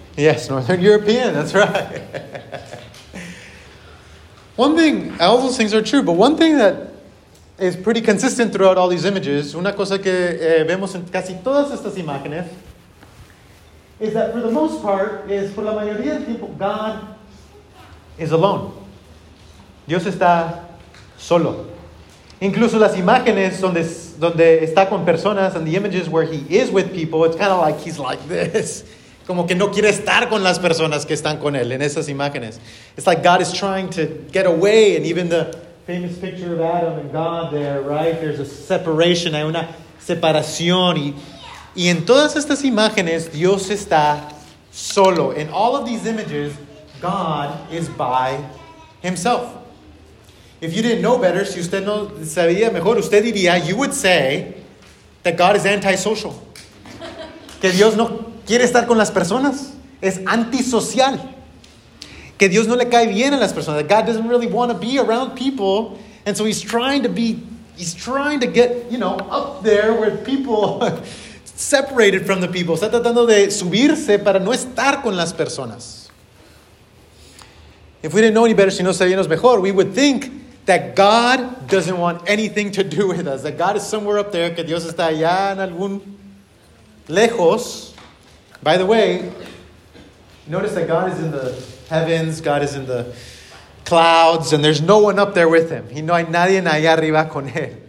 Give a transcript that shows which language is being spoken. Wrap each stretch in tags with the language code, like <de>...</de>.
<en>Yes, Northern European. That's right. One thing, all those things are true, but one thing that is pretty consistent throughout all these images,</en> <es>una cosa que vemos en casi todas estas imágenes,</es> <en>is that for the most part, is for</en> <es>la mayoría del tiempo,</es> <en>God is alone.</en> <es>Dios está solo. Incluso las imágenes donde está con personas,</es> <en>and the images where he is with people, it's kind of like he's like this.</en> <es>Como que no quiere estar con las personas que están con él en esas imágenes.</es> <en>It's like God is trying to get away, and even the famous picture of Adam and God there, right? There's a separation,</en> <es>hay una separación. Y en todas estas imágenes, Dios está solo.</es> <en>In all of these images, God is by himself. If you didn't know better,</en> <es>si usted no sabía mejor, usted diría,</es> <en>you would say that God is antisocial.</en> <es>Que Dios no quiere estar con las personas. Es antisocial. Que Dios no le cae bien a las personas.</es> <en>That God doesn't really want to be around people. And so he's trying to get, you know, up there with people, separated from the people.</en> <es>Está tratando de subirse para no estar con las personas.</es> <en>If we didn't know any better,</en> <es>si no sabíamos mejor,</es> <en>we would think that God doesn't want anything to do with us. That God is somewhere up there.</en> <es>Que Dios está allá en algún lejos.</es> <en>By the way, notice that God is in the heavens. God is in the clouds. And there's no one up there with him.</en> <es>Y no hay nadie allá arriba con él.</es>